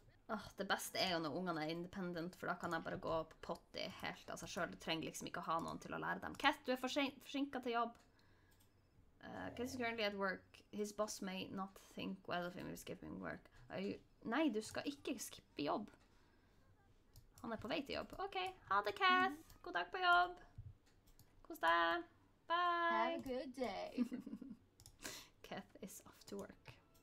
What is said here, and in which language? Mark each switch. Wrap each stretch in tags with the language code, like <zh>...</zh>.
<no>Oh, det beste er jo når ungene er independent, for da kan jeg bare gå på potty helt av seg selv. Du trenger liksom ikke å ha noen til å lære dem. Cat, du er forsinket til jobb.</no> <en>Cat is currently at work. His boss may not think well of him if he's skipping work.</en> <no>Nei, du skal ikke skippe jobb. Han er på vei til jobb. Ok, ha det, Cat. God dag på jobb. Kos deg. Bye.</no> <en>Have a good day. Cat is off to work.</en>